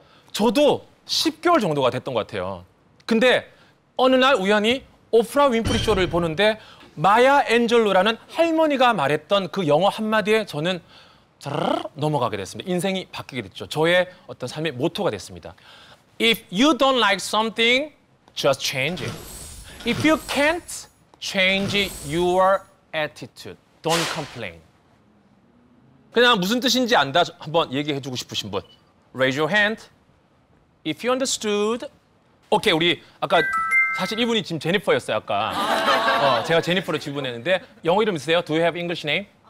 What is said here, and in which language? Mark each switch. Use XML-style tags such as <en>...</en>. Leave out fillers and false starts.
<ko>저도 10개월 정도가 됐던 것 같아요. 근데 어느 날 우연히 오프라 윈프리 쇼를 보는데 마야 앤젤루라는 할머니가 말했던 그 영어 한마디에 저는 넘어가게 됐습니다. 인생이 바뀌게 됐죠. 저의 어떤 삶의 모토가 됐습니다.</ko> <en>If you don't like something, just change it. If you can't change your attitude. Don't complain.</en> <ko>그냥 무슨 뜻인지 안다 한번 얘기해 주고 싶으신 분.</ko> <en>Raise your hand. If you understood.</en> <ko>오케이, 우리 아까 사실 이분이 지금 제니퍼였어요, 아까. 제가 제니퍼로 지분했는데 영어 이름 있으세요?</ko> <en>Do you have English name?</en>